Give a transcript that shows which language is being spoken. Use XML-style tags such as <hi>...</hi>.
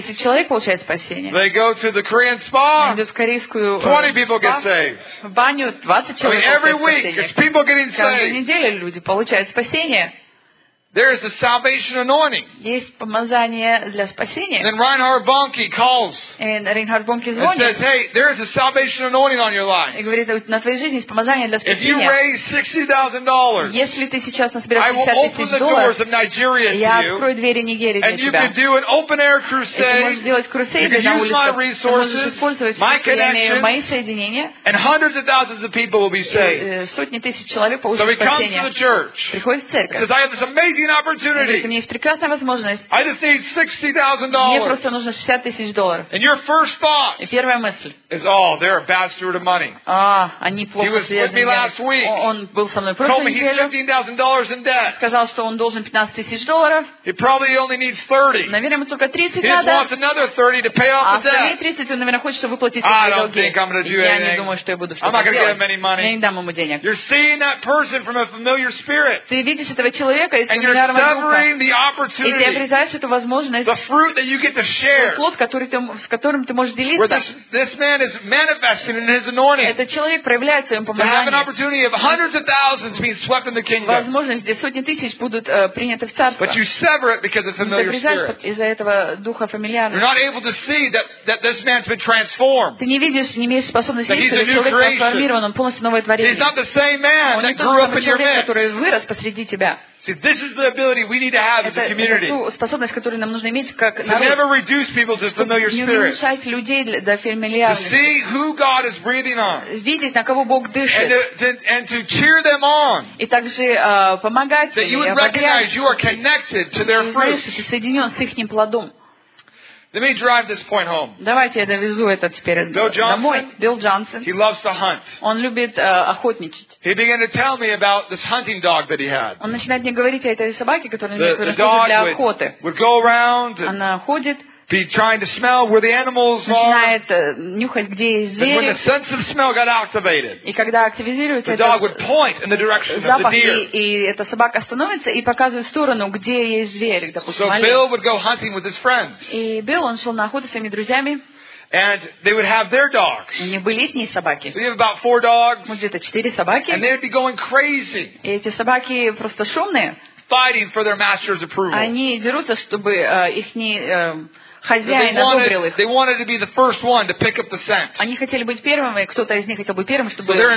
<ru>10 человек получают спасение.</ru> <en>They go to the Korean spa.</en> <ru>Они идут в корейскую.</ru> <en>20 people get saved.</en> <ru>В баню 20 человек получают спасение.</ru> <en>Every week, it's people getting saved.</en> <ru>Каждую неделю люди получают спасение.</ru> <en>There is a salvation anointing.</en> <ru>Есть помазание для спасения.</ru> <en>Then Reinhard Bonnke calls. And Reinhard Bonnke</en> <ru>звонит.</ru> <en>And says, "Hey, there is a salvation anointing on your life."</en> <ru>И говорит, на твоей жизни есть помазание для спасения.</ru> <en>If you raise $60,000,</en> <ru>если ты сейчас наберешь $60,000, я открою двери Нигерии для тебя.</ru> <en>And you can do an open air crusade.</en> <ru>Ты можешь сделать крусейд на улице.</ru> <en>Use my resources, my connections,</en> <ru>мои соединения.</ru> <en>And hundreds of thousands of people will be saved.</en> <ru>Сотни тысяч человек получат спасение.</ru> <en>So he comes to the church.</en> <ru>Приходит в церковь.</ru> <en>Opportunity.</en> <ru>У меня есть прекрасная возможность.</ru> <en>I just need $60,000.</en> <ru>Мне просто нужно $60,000.</ru> <en>And your first thought?</en> <ru>И первая мысль.</ru> <en>Is all? Oh, they're a bad steward of money.</en> <ru>А, они плохо</ru> <en>He was with me last week.</en> <ru>Он был со мной прошлой неделе.</ru> <en>Told me he's $15,000 in debt.</en> <ru>Сказал, что он должен $15,000.</ru> <en>He probably only needs 30.</en> <ru>Наверное, ему только 30 надо.</ru> <en>He just wants another 30 to pay off the debt.</en> <ru>А 30 он, наверное, хочет выплатить свои долги.</ru> <en>I don't think I'm going to do anything.</en> <ru>Я не думаю, что я буду что-то делать.</ru> <en>I'm not going to give him any money.</en> <ru>Я не дам ему денег.</ru> <en>You're seeing that person from a familiar spirit.</en> <ru>Ты видишь этого человека?</ru> <en>And you're severing the opportunity, the fruit that you get to share, where this man is manifesting in his anointing.</en> <ru>Этот человек проявляет своё помазание.</ru> <en>To have an opportunity of hundreds of thousands being swept in the kingdom.</en> <ru>Возможность, где сотни тысяч будут приняты в царство.</ru> <en>But you sever it because of familiar spirit.</en> <ru>Из-за этого духа фамильярности.</ru> <en>You're not able to see that this man's been transformed.</en> <ru>Ты не видишь, не имеешь способности видеть, что человек трансформирован, он полностью новое творение.</ru> <en>He's not the same man that grew up in your midst.</en> <ru>Он не тот человек, который вырос посреди тебя.</ru> <en>See, this is the ability we need to have as a community.</en> <ru>Это ту способность, которую нам нужно иметь как народ.</ru> <en>To never reduce people to familiar spirit.</en> <ru>Не уменьшать людей до фамильярности.</ru> <en>To see who God is breathing on.</en> <ru>Видеть, на кого Бог дышит.</ru> <en>And to cheer them on.</en> <ru>И также помогать.</ru> <en>That you would recognize you are connected to their fruit.</en> <ru>Ты соединен с их плодом.</ru> <en>Let me drive this point home.</en> <ru>Давайте я довезу это теперь домой. Билл Джонсон.</ru> <en>He loves to hunt.</en> <ru>Он любит охотничать.</ru> <en>He began to tell me about this hunting dog that he had.</en> <ru>Он начинает мне говорить о этой собаке, которую он имеет для охоты.</ru> <en>Would go around.</en> <ru>Она ходит.</ru> <en>Be trying to smell where the animals are.</en> <ru>Начинает нюхать, где есть звери.</ru> <en>And when the sense of smell got activated.</en> <ru>И когда активизируется этот запах.</ru> <en>The dog would point in the direction of the deer.</en> <ru>И эта собака остановится и показывает сторону, где есть зверь, допустим.</ru> <en>So Bill would go hunting with his friends.</en> <ru>И Билл, он шел на охоту с своими друзьями.</ru> <en>And they would have their dogs.</en> <ru>У них были их собаки.</ru> <en>We have about 4 dogs.</en> <ru>Может, где-то 4 собаки.</ru> <en>And they'd be going crazy.</en> <ru>И эти собаки просто шумные.</ru> <en>Fighting for their master's approval.</en> <ru>Они дерутся, чтобы их не хозяин одобрил их.</ru> <en>They wanted to be the first one to pick up the scent.</en> <ru>Они хотели быть первыми, кто-то из них хотел быть первым, чтобы</ru>